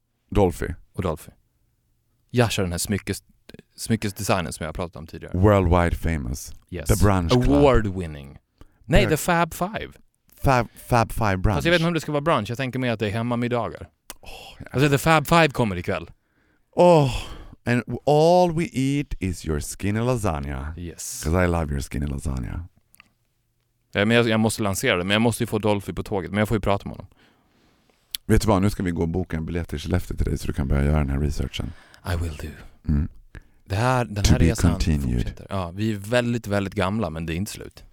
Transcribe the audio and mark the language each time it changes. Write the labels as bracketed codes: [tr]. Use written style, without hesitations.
[sv] Dolphy. Och Dolphy. Yashar, den här smyckesdesignen som jag pratat om tidigare. [en] Worldwide famous. Yes. The brunch club. Award winning. [sv] Nej, [en] The Fab Five. Fab Five brunch. [sv] Fast jag vet inte om det ska vara brunch. Jag tänker mig att det är hemma middagar. Oh, ja. Alltså The Fab Five kommer ikväll. [en] Oh, and all we eat is your skinny lasagna. Yes. Because I love your skinny lasagna. [sv] Ja, men jag måste lansera det, men jag måste ju få Dolphy på tåget. Men jag får ju prata med honom. Vet du vad, nu ska vi gå och boka en biljett i Skellefteå till dig så du kan börja göra den här researchen. [en] I will do. Mm. [sv] Den här resan [en] continued. [sv] Fortsätter. Ja, vi är väldigt, väldigt gamla, men det är inte slut.